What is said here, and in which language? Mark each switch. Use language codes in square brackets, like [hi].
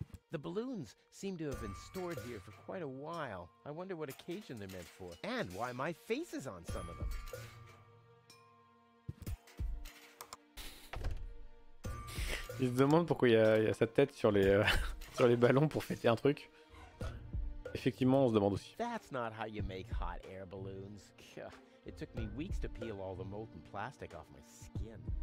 [en] The balloons seem to have been stored here for quite a while. I wonder what occasion they're meant for. And why my face is on some of them. [fr] Il se demande pourquoi il y a sa tête sur les ballons pour fêter un truc. Effectivement, on se demande aussi. [en] That's not how you make hot air balloons. It took me weeks to peel all the molten plastic off my skin.